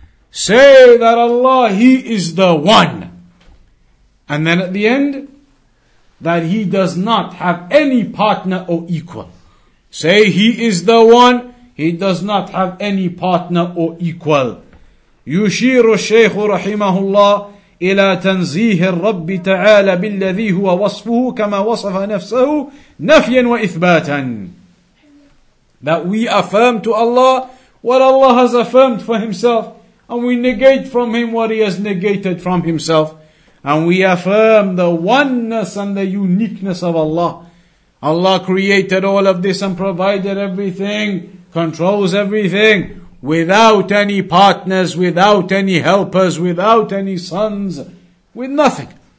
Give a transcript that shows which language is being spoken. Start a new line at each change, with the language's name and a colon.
English: Say that Allah, He is the One. And then at the end, that He does not have any partner or equal. Say He is the One, He does not have any partner or equal.
Arabic: يشير الشيخ رحمه الله إلى تنزيه الرب تعالى بالذي هو وصفه كما وصف نفسه نفيا وإثباتا.
English: That we affirm to Allah what Allah has affirmed for Himself. And we negate from him what he has negated from himself. And we affirm the oneness and the uniqueness of Allah. Allah created all of this and provided everything, controls everything, without any partners, without any helpers, without any sons, with nothing.